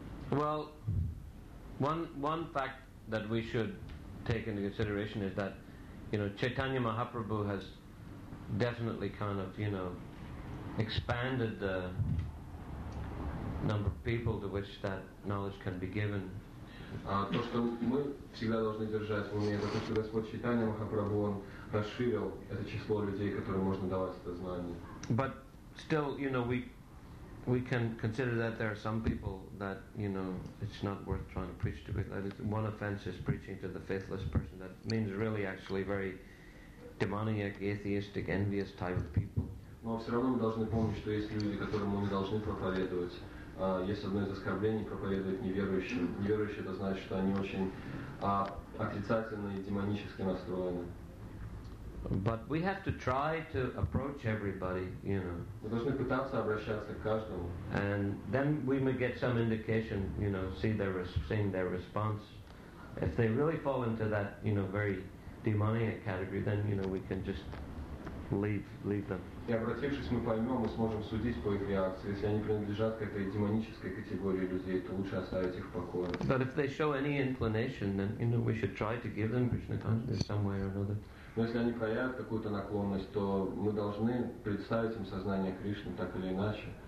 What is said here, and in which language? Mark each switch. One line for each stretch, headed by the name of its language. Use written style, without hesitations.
English: Well, one fact that we should take into consideration is that, you know, Chaitanya Mahaprabhu has definitely kind of, you know, expanded the number of people to which that knowledge can be given.
Russian: То, что мы всегда должны держать в уме, это то, что Господь Чайтанья Махапрабху он расширил это число людей, которым можно давать это знание.
English: But still, you know, we we can consider that there are some people that, you know, it's not worth trying to preach to. One offense is preaching to the faithless person. That means really actually very demoniac, atheistic, envious type of people.
Russian: Но все равно мы должны помнить, что есть люди, которым мы не должны проповедовать. Есть одно из оскорблений – проповедовать неверующим. Неверующие – это значит, что они очень отрицательные и демонически настроены.
English: But we have to try to approach everybody, you know.
Russian: Мы должны пытаться обращаться к каждому.
English: And then we may get some indication, you know, seeing their response. If they really fall into that, you know, very demoniac category, then, you know, we can just leave them.
Russian: И обратившись, мы поймем, мы сможем судить по их реакции. Если они принадлежат к этой демонической категории людей, то лучше оставить их в покое.
English: But if they show any inclination, then, you know, we should try to give them Krishna consciousness some way or another.
Russian: Но если они проявят какую-то наклонность, то мы должны представить им сознание Кришны так или иначе.